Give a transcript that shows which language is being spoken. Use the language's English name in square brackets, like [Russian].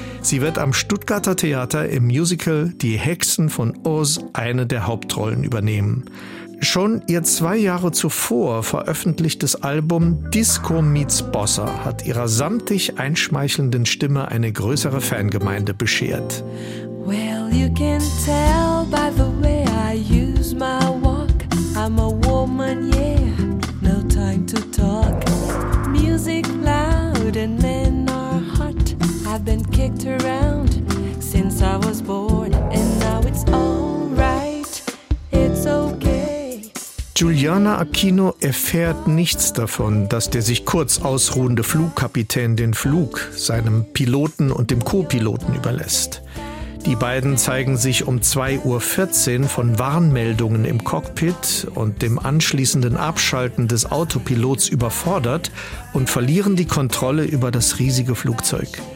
[German] Sie wird am Stuttgarter Theater im Musical Die Hexen von Oz eine der Hauptrollen übernehmen. Schon ihr 2 Jahre zuvor veröffentlichtes Album Disco Meets Bossa hat ihrer samtig einschmeichelnden Stimme eine größere Fangemeinde beschert. [English] Well, you can tell by the way I use my I'm a woman, yeah, no time to talk. Music loud and men are hot. I've been kicked around since I was born. And now it's all right, it's okay. [German] Juliana Aquino erfährt nichts davon, dass der sich kurz ausruhende Flugkapitän den Flug seinem Piloten und dem Co-Piloten überlässt. Die beiden zeigen sich um 2.14 Uhr von Warnmeldungen im Cockpit und dem anschließenden Abschalten des Autopilots überfordert und verlieren die Kontrolle über das riesige Flugzeug.